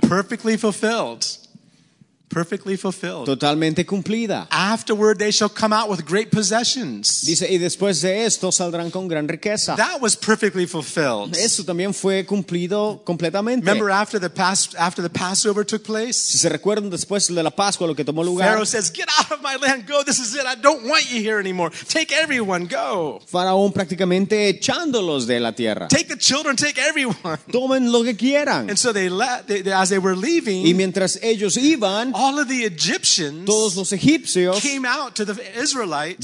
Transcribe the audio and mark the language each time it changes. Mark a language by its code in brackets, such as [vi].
[en] Perfectly fulfilled. Perfectly fulfilled. [es] Totalmente cumplida. [en] Afterward, they shall come out with great possessions. [es] Dice, y después de esto saldrán con gran riqueza. [en] That was perfectly fulfilled. [es] Eso también fue cumplido completamente. [en] Remember after the Passover took place? [es] Si se recuerdan después de la Pascua lo que tomó lugar. [en] Pharaoh says, "Get out of my land, go. This is it. I don't want you here anymore. Take everyone, go." [es] Faraón prácticamente echándolos de la tierra. [en] Take the children, take everyone. [es] Tomen lo que quieran. [en] And so they let as they were leaving. [es] Y mientras ellos iban. [en] All of the Egyptians, [es] todos los egipcios, [en] came out to the Israelites.